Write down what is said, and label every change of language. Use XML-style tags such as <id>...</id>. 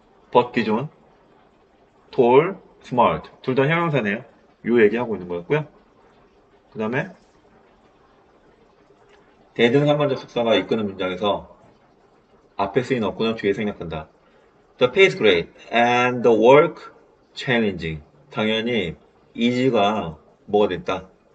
<ko>but 기존, tall, smart. 둘다 형용사네요. 요 얘기하고 있는 거였고요. 그 다음에, 대등상관접속사가 이끄는 문장에서 앞에 쓰인 어구는 뒤에 생략된다.</ko> <en>The pay is great and the work challenging.</en> <ko>당연히, is가 뭐가 됐다?</ko>